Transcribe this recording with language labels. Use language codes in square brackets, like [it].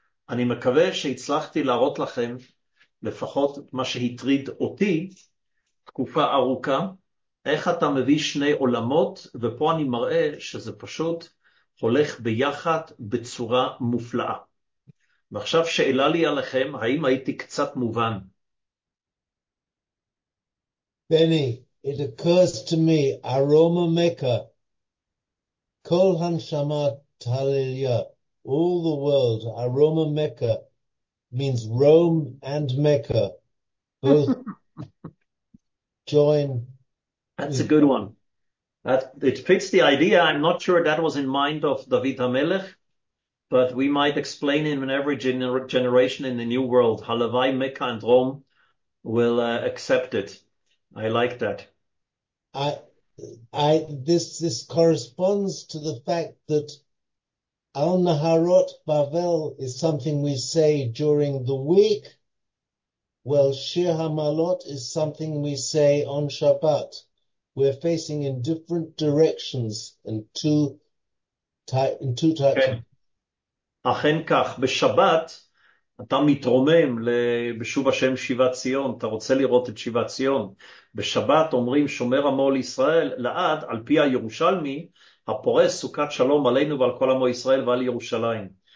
[he] אני מקווה שהצלחתי להראות לכם לפחות מה שהטריד אותי תקופה ארוכה, איך אתה מביא שני עולמות, ופה אני מראה שזה פשוט הולך ביחד בצורה מופלאה. ועכשיו שאלה לי עליכם, האם הייתי קצת מובן? [en] Benny, it occurs to me, aroma maker, [he] kol hanshama talilya, [en] all the world, aroma maker, means Rome and Mecca, both join. That's a good one. That it fits the idea. I'm not sure that was in mind of David HaMelech, but we might explain him in every generation in the new world. Halavai, Mecca and Rome will accept it. I like that. This corresponds to the fact that Al Naharot Bavel is something we say during the week. Well, Shir HaMalot is something we say on Shabbat. We're facing in different directions and two types. [he] כן. אכן כך, בשבת אתה מתרומם בשוב השם שיבת ציון, אתה רוצה לראות את שיבת ציון. בשבת אומרים שומר עמו לישראל לעד, על פי הירושלמי, הפורס סוכת שלום עלינו ועל כל עמו ישראל ועל ירושלים.